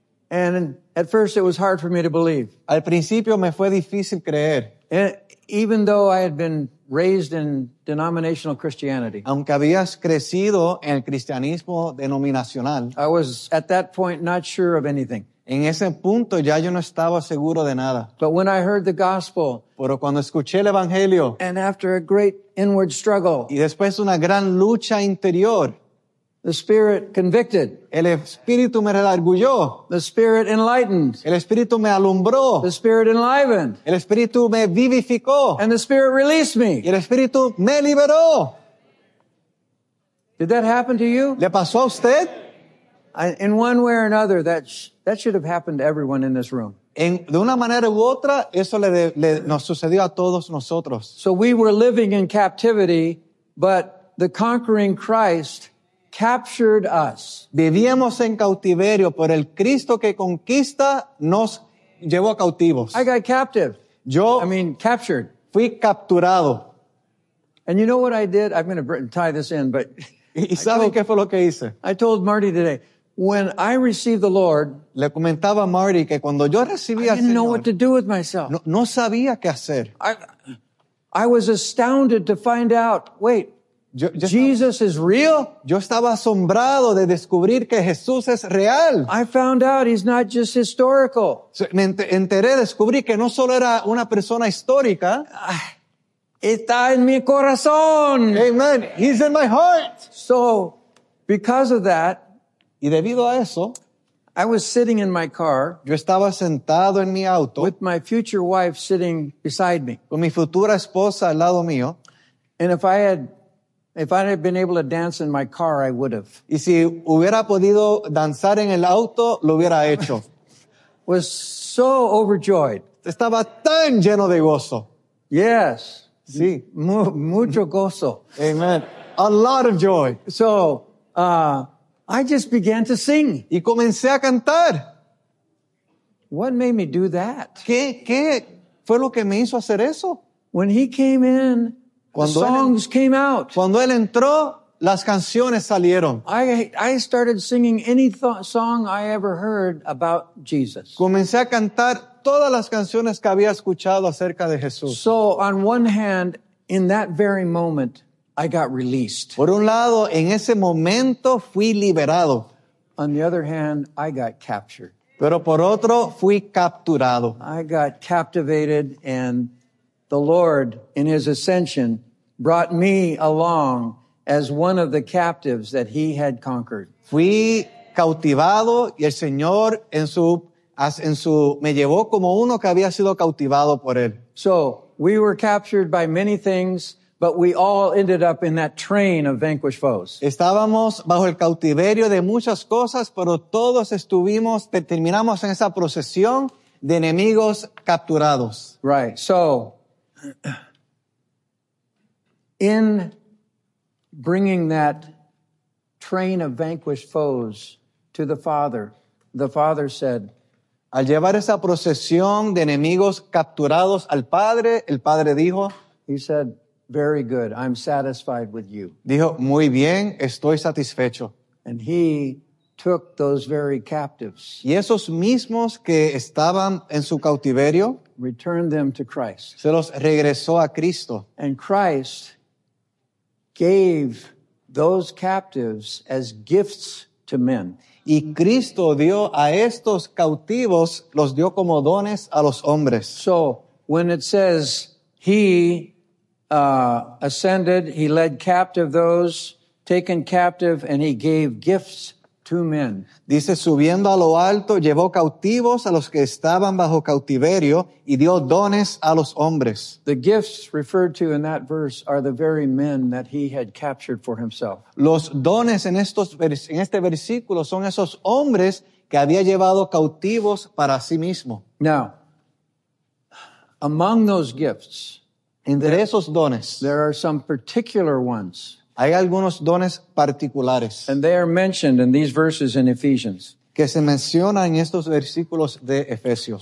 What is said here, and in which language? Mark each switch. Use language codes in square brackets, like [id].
[en] And at first it was hard for me to believe. [es] Al principio me fue difícil creer. [en] And even though I had been raised in denominational Christianity. [es] Aunque habías crecido en el cristianismo denominacional. [en] I was at that point not sure of anything. [es] En ese punto ya yo no estaba seguro de nada. [en] But when I heard the gospel. [es] Pero cuando escuché el evangelio. [en] And after a great inward struggle. [es] Y después una gran lucha interior. [en] The Spirit convicted. [es] El Espíritu me redarguyó. [en] The Spirit enlightened. [es] El Espíritu me alumbró. [en] The Spirit enlivened. [es] El Espíritu me vivificó. [en] And the Spirit released me. [es] Y el Espíritu me liberó. [en] Did that happen to you? [es] ¿Le pasó a usted? [en] In one way or another, that should have happened to everyone in this room. [es] De una manera u otra, eso nos sucedió a todos nosotros. [en] So we were living in captivity, but the conquering Christ captured us. [es] Vivíamos en cautiverio, pero el Cristo que conquista nos llevó cautivos. [en] I got captive. Captured. [es] Fui capturado. [en] And you know what I did? I'm going to tie this in, but [es] ¿y saben qué fue lo que hice? [en] I told Marty today, when I received the Lord, [es] le comentaba a Marty que cuando yo recibí al Señor, [en] I didn't know what to do with myself. [es] No sabía qué hacer. [en] I was astounded to find out, wait, [es] Yo [en] Jesus is real? [es] Yo estaba asombrado de descubrir que Jesús es real. [en] I found out he's not just historical. [es] Me enteré, descubrí que no solo era una persona histórica. Está en mi corazón. [en] Amen. He's in my heart. So, because of that, [es] y debido a eso, [en] I was sitting in my car. [es] Yo estaba sentado en mi auto. [en] With my future wife sitting beside me. [es] Con mi futura esposa al lado mío. [en] And if I had been able to dance in my car, I would have. [es] Y si hubiera podido danzar en el auto, lo hubiera hecho. [en] Was so overjoyed. [es] Estaba tan lleno de gozo. [en] Yes. [es] Sí. Mucho gozo. [en] Amen. A lot of joy. So, I just began to sing. [es] Y comencé a cantar. [en] What made me do that? [es] ¿Qué fue lo que me hizo hacer eso? [en] When he came in, [es] cuando [en] the songs came out. [es] Cuando él entró, las canciones salieron. [en] I started singing any song I ever heard about Jesus. [es] Comencé a cantar todas las canciones que había escuchado acerca de Jesús. [en] So, on one hand, in that very moment, I got released. [es] Por un lado, en ese momento fui liberado. [en] On the other hand, I got captured. [es] Pero por otro, fui capturado. [en] I got captivated, and the Lord, in His ascension, brought me along as one of the captives that He had conquered. [es] Fui cautivado, y el Señor en su me llevó como uno que había sido cautivado por Él. [en] So, we were captured by many things, but we all ended up in that train of vanquished foes. [es] Estábamos bajo el cautiverio de muchas cosas, pero todos estuvimos, terminamos en esa procesión de enemigos capturados. [en] Right. So, in bringing that train of vanquished foes to the Father said, [es] al llevar esa procesión de enemigos capturados al Padre, el Padre dijo, [en] He said, Very good. I'm satisfied with you. [es] Dijo, muy bien, estoy satisfecho. [en] And he took those very captives. [es] Y esos mismos que estaban en su cautiverio, [en] returned them to Christ. [es] Se los regresó a Cristo. [en] And Christ gave those captives as gifts to men. [es] Y Cristo dio a estos cautivos, los dio como dones a los hombres. [en] So, when it says he ascended, he led captive those taken captive, and he gave gifts to men. [es] Dice, subiendo a lo alto, llevó cautivos a los que estaban bajo cautiverio y dio dones a los hombres. [en] The gifts referred to in that verse are the very men that he had captured for himself. [es] Los dones en este versículo son esos hombres que había llevado cautivos para sí mismo. [en] Now, among those gifts, [es] entre esos dones, [en] there are some particular ones. [es] Hay algunos dones particulares. [en] And they are mentioned in these verses in Ephesians. [es] Que se mencionan en estos versículos de Efesios.